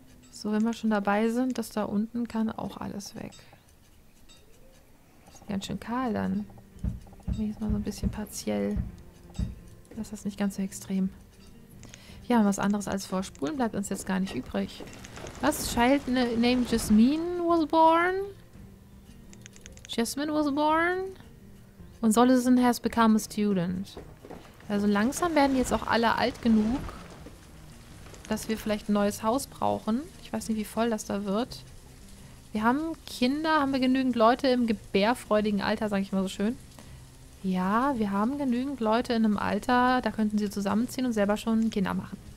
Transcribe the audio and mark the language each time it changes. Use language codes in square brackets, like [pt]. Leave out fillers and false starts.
[de] So, wenn wir schon dabei sind, das da unten kann auch alles weg. Ist ganz schön kahl dann. Hier ist mal so ein bisschen partiell. Das ist nicht ganz so extrem. Ja, und was anderes als vorspulen bleibt uns jetzt gar nicht übrig. Was? [en] Child named Jasmine was born? Jasmine was born? Und Solison has become a student. [de] Also langsam werden jetzt auch alle alt genug, dass wir vielleicht ein neues Haus brauchen. Ich weiß nicht, wie voll das da wird. Wir haben Kinder, haben wir genügend Leute im gebärfreudigen Alter, sage ich mal so schön. Ja, wir haben genügend Leute in einem Alter, da könnten sie zusammenziehen und selber schon Kinder machen.